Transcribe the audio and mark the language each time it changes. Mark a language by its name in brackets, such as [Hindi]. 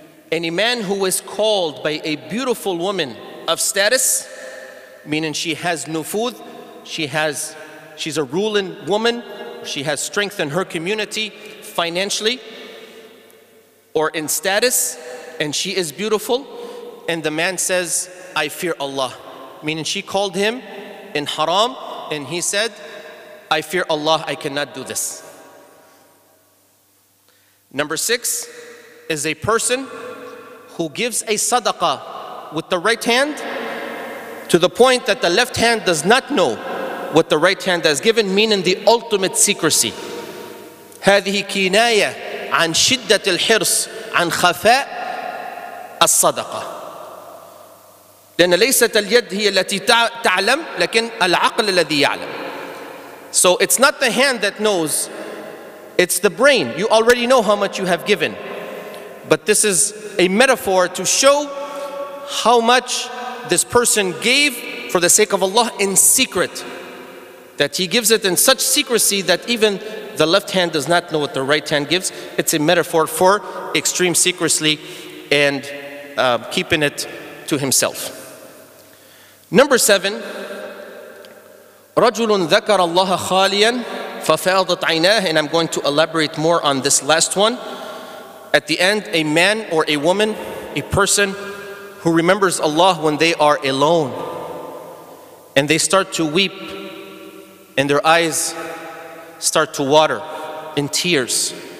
[English] Any man who is called by a beautiful woman of status, meaning she has nufud, she's a ruling woman, she has strength in her community financially or in status, and she is beautiful, and the man says, I fear Allah, meaning she called him in haram, and he said, I fear Allah, I cannot do this. Number six is a person who gives a sadaqah with the right hand to the point that the left hand does not know what the right hand has given, meaning the ultimate secrecy. [Arabic] هذه كناية عن شدة الحرص عن خفاء الصدقة. لأن ليست اليد هي التي تعلم لكن العقل الذي يعلم. [English] So it's not the hand that knows, it's the brain. You already know how much you have given. But this is a metaphor to show how much this person gave for the sake of Allah in secret. That he gives it in such secrecy that even the left hand does not know what the right hand gives. It's a metaphor for extreme secrecy and keeping it to himself. Number seven, [Arabic] رَجُلٌ ذَكَرَ اللَّهَ خَالِيًا فَفَاضَتْ عَيْنَاهُ. [English] And I'm going to elaborate more on this last one. At the end, a man or a woman, a person who remembers Allah when they are alone, and they start to weep, and their eyes start to water in tears.